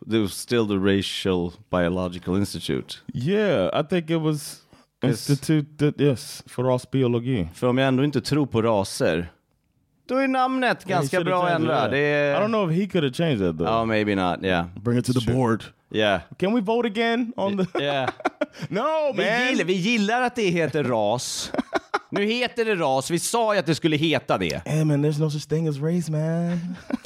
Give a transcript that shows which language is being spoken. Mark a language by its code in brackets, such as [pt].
[en] It was still the Racial Biological Institute. Yeah, I think it was Institut för rasbiologi. [sv] För om jag ändå inte tror på raser, då är namnet ganska bra att ändra. [en] I don't know if he could have changed that though. Oh, maybe not, yeah. Bring it to the board. Yeah. Can we vote again on the... Yeah. No, man! [sv] Vi gillar att det heter ras. Nu heter det ras. Vi sa ju att det skulle heta det. [en] Hey man, there's no such thing as race, man.